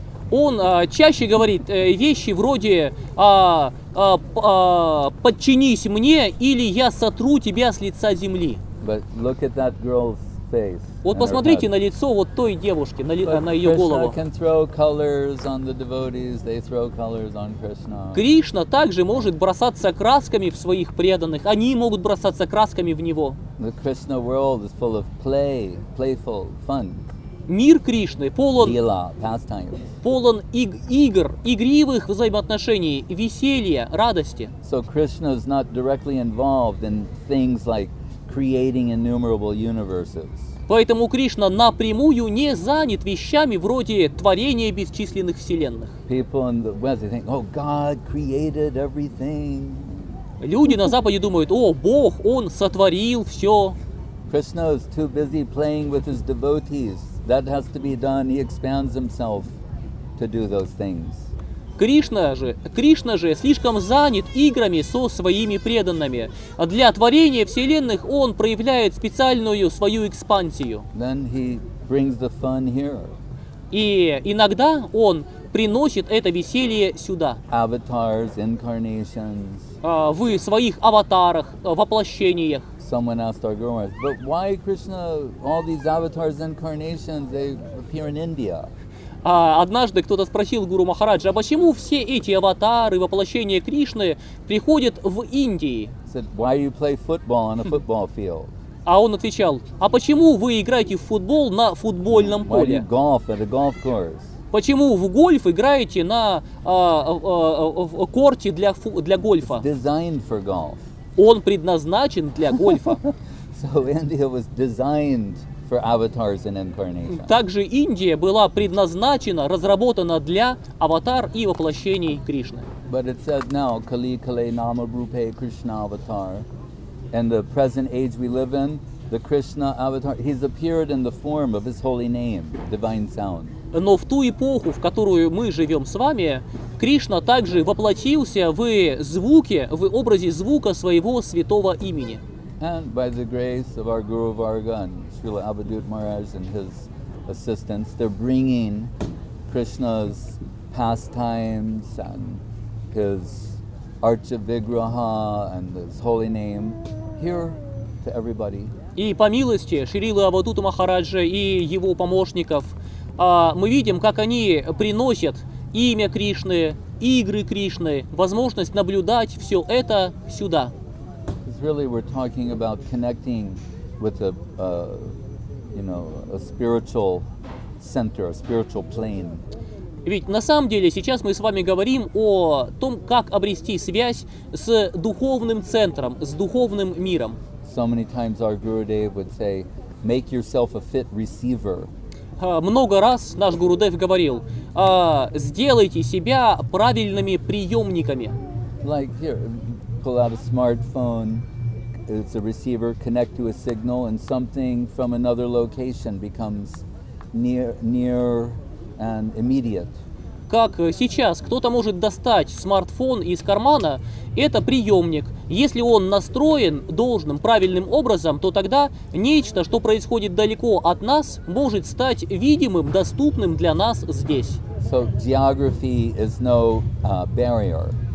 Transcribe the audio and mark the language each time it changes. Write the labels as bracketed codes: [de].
[ru] Он чаще говорит вещи вроде подчинись мне, или я сотру тебя с лица земли. [en] But look at that girl's face. [ru] Вот посмотрите на лицо вот той девушки, на ее голову. [en] Krishna can throw colors on the devotees, they throw colors on Krishna. [ru] Кришна также может бросаться красками в своих преданных, они могут бросаться красками в него. [en] The Krishna world is full of play, playful, fun. [ru] Мир Кришны полон [en] Lila, pastimes. [ru] Полон игр, игривых взаимоотношений, веселья, радости. [en] So Krishna is not directly involved in things like creating innumerable universes. [ru] Поэтому Кришна напрямую не занят вещами вроде творения бесчисленных вселенных. [en] People in the West, they think, oh, God created everything. [ru] Люди на Западе думают, о, Бог, Он сотворил все. [en] Krishna is too busy playing with his devotees. That has to be done. He expands himself to do those things. [ru] Кришна же слишком занят играми со своими преданными. Для творения вселенных он проявляет специальную свою экспансию. [en] Then he brings the fun here. [ru] И иногда он приносит это веселье сюда. [en] Avatars, incarnations. [ru] В своих аватарах, воплощениях. [en] Someone asked our Guru Maharaj, but why Krishna, all these avatars, incarnations, they appear in India? [ru] Однажды кто-то спросил Гуру Махараджа, а почему все эти аватары, воплощения Кришны приходят в Индии? [en] Said, why you play football on a football field? [ru] А он отвечал, а почему вы играете в футбол на футбольном поле? [en] Why do you golf at a golf course? [ru] Почему в гольф играете на корте для гольфа? [en] It's designed for golf. [ru] Он предназначен для гольфа. [en] So India was designed for avatars and incarnations. [ru] Также Индия была предназначена, разработана для аватар и воплощений Кришны. [en] But it says now, [sa] Kali Kale Nama Rupe Krishna Avatar. [en] In the present age we live in, the Krishna avatar, he's appeared in the form of his holy name, divine sound. [ru] Но в ту эпоху, в которую мы живем с вами, Кришна также воплотился в звуке, в образе звука своего святого имени. [en] And by the grace of our Guru Vargan, Srila Abhidhut Maharaj and his assistants, they're bringing Krishna's pastimes and his Archavigraha and his holy name here to everybody. [ru] И по милости Шрилы Авадута Махараджа и его помощников мы видим, как они приносят имя Кришны, игры Кришны, возможность наблюдать все это сюда. [en] Really, we're talking about connecting with a spiritual center, a spiritual plane. [ru] Ведь на самом деле сейчас мы с вами говорим о том, как обрести связь с духовным центром, с духовным миром. [en] So many times our Gurudev would say, make yourself a fit receiver. [ru] Много раз наш Гурудев говорил, сделайте себя правильными приемниками. [en] Like here, pull out a smartphone. It's a receiver, connect to a signal, and something from another location becomes near and immediate. [ru] Как сейчас кто-то может достать смартфон из кармана, это приемник. Если он настроен должным, правильным образом, то тогда нечто, что происходит далеко от нас, может стать видимым, доступным для нас здесь. [en] So geography is no barrier.